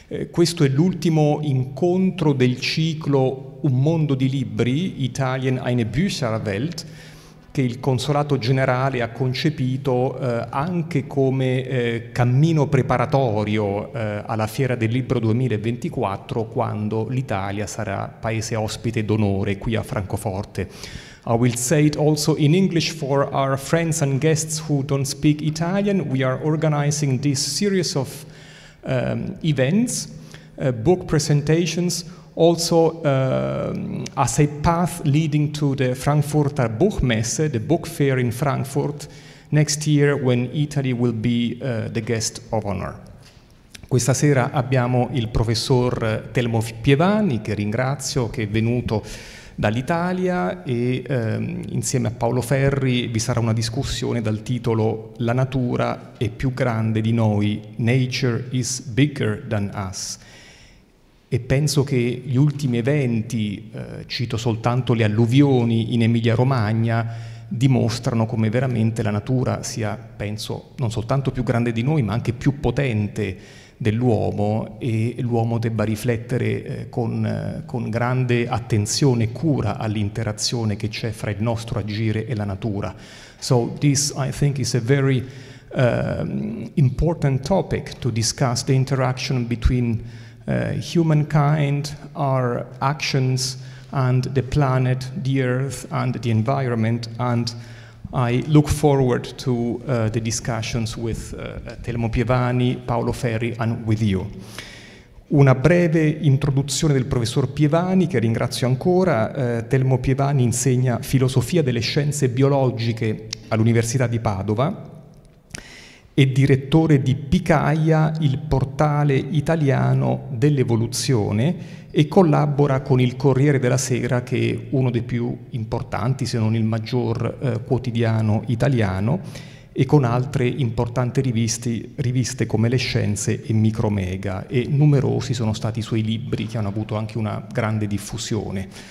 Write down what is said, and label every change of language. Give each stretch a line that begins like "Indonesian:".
Italian: Questo è l'ultimo incontro del ciclo Un mondo di libri,
German: Italien eine Bücherwelt,
Italian: che il Consolato Generale ha concepito anche come cammino preparatorio alla Fiera del Libro 2024, quando l'Italia sarà paese ospite d'onore qui a Francoforte.
English: I will say it also in English for our friends and guests who don't speak Italian. We are organizing this series of events, book presentations, also as a path leading to the Frankfurter Buchmesse, the book fair in Frankfurt, next year when Italy will be the guest of honor.
Italian: Questa sera abbiamo il professor Telmo Pievani, che ringrazio, che è venuto dall'Italia, e insieme a Paolo Ferri vi sarà una discussione dal titolo La natura è più grande di noi,
English: Nature is bigger than us.
Italian: E penso che gli ultimi eventi, cito soltanto le alluvioni in Emilia-Romagna, dimostrano come veramente la natura sia, penso, non soltanto più grande di noi, ma anche più potente dell'uomo, e l'uomo debba riflettere con grande attenzione e cura all'interazione che c'è fra il nostro agire e la natura.
English: So this, I think, is a very important topic to discuss, the interaction between humankind, our actions, and the planet, the earth, and the environment, and I look forward to the discussions with Telmo Pievani, Paolo Ferri, and with you.
Italian: Una breve introduzione del professor Pievani, che ringrazio ancora. Telmo Pievani insegna filosofia delle scienze biologiche all'Università di Padova, è direttore di Picaia, il portale italiano dell'evoluzione, e collabora con il Corriere della Sera, che è uno dei più importanti, se non il maggior quotidiano italiano, e con altre importanti riviste come Le Scienze e Micromega, e numerosi sono stati i suoi libri che hanno avuto anche una grande diffusione.